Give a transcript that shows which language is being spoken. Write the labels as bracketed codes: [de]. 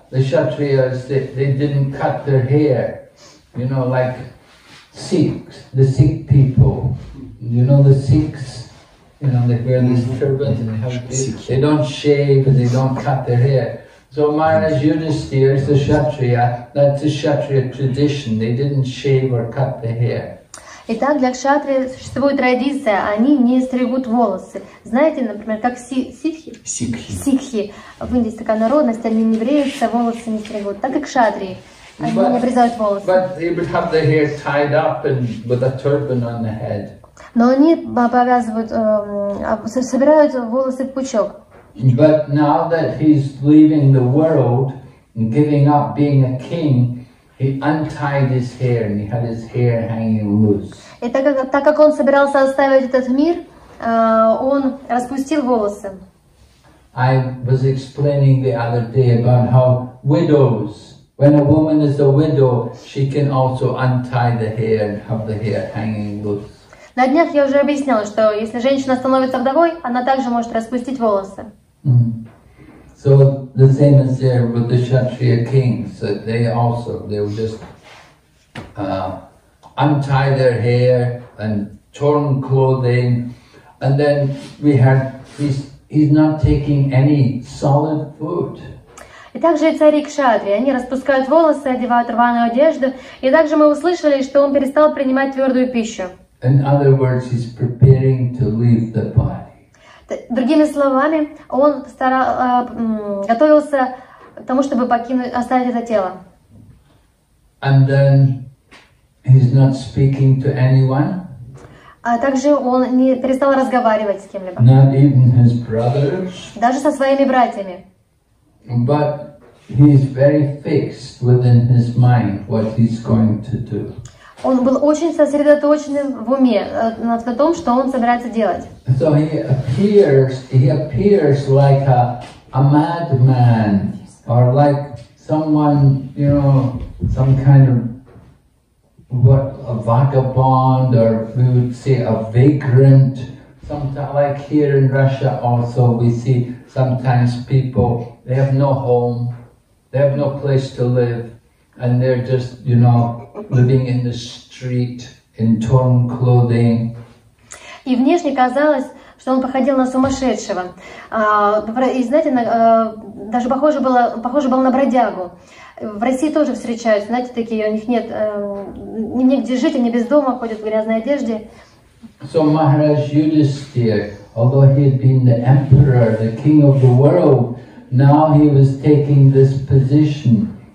[en] The Kshatriyas, they didn't cut their hair, you know, like Sikhs, the Sikh people. You know the Sikhs, you know, they wear these turbans and they have beards. They don't shave and they don't cut their hair. So Maharaj Yudhisthira is a Kshatriya, that's a Kshatriya tradition. They didn't shave or cut the hair. [ru] Итак, для кшатри существует традиция, они не стригут волосы. Знаете, например, как ситхи? Сикхи. Сикхи. В Индии есть такая народность, они не бреются, волосы не стригут. Так и кшатри. Они не обрезают волосы. [en] But they would have their hair tied up and with a turban on the head. [ru] Но они повязывают, собирают волосы в пучок. [en] But now that he's leaving the world and giving up being a king, he untied his hair and he had his hair hanging loose. [ru] И так как он собирался оставить этот мир, он распустил волосы. [en] I was explaining the other day about how widows, when a woman is a widow, she can also untie the hair and have the hair hanging loose. [ru] На днях я уже объясняла, что если женщина становится вдовой, она также может распустить волосы. Mm-hmm. [en] So the same is there with the Kshatriya kings, that they also, they would just untie their hair and torn clothing. And then we had, he's not taking any solid food. [ru] И также и цари кшатри, они распускают волосы, одевают рваную одежду. И также мы услышали, что он перестал принимать твердую пищу. [en] In other words, he's preparing to leave the body. [ru] Другими словами, он готовился к тому, чтобы покинуть, оставить это тело. [en] And then he's not speaking to anyone. [ru] А также он не перестал разговаривать с кем-либо. [en] Not even his brothers. [ru] Даже со своими братьями. [en] But he's very fixed within his mind what he's going to do. [ru] Он был очень сосредоточенным в уме над том, что он собирается делать. [en] So he appears like a madman or like someone, you know, some kind of what a vagabond or we would say a vagrant. Sometimes, like here in Russia also, we see sometimes people they have no home, they have no place to live, and they're just, you know, living in the street in torn clothing. [ru] И внешне казалось, что он походил на сумасшедшего. И знаете, даже похоже было на бродягу. В России тоже встречаются, знаете, такие, у них нет негде жить, они без дома ходят в грязной одежде. [en] So Maharaj Yudhisthira, although he had been the emperor, the king of the world, now he was taking this position.